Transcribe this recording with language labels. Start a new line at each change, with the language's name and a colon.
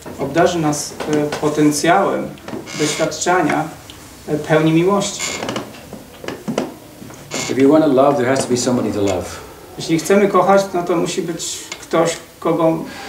Polish: Obdarzy nas potencjałem doświadczania pełni miłości.
English: If you want to love, there has to be somebody to love.
Polish: Jeśli chcemy kochać, no to musi być ktoś, kogo